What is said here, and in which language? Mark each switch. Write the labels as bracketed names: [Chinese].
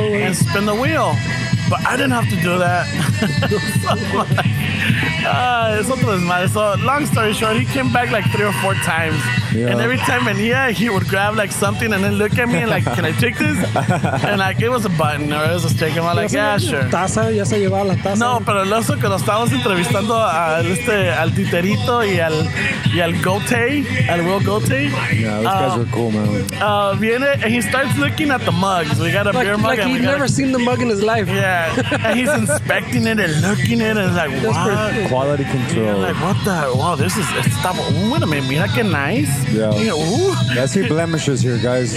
[English] And spin the wheel. But I didn't have to do that. So long story short, he came back like 3 or 4 times. Yeah. And every time he would grab like something and then look at me and like, can I take this? And like, it was a button or it was a stick. And I'm like, yeah, sure. [Spanish] Taza, ya se llevaba la taza. No, pero el oso, cuando estábamos entrevistando al Titerito y al Gotay, al Will Gotay. [English] Yeah, those guys are cool, man. [Spanish] Viene [English] and he starts looking at the mugs. We got a beer mug. Like he'd never seen the mug in his life. Yeah. And he's inspecting it and looking at it and like, wow. Quality control. And like, what the? Wow, this is stop. Wait a minute. [Spanish] Mira que [English] nice. Yeah. That's your blemishes here, guys.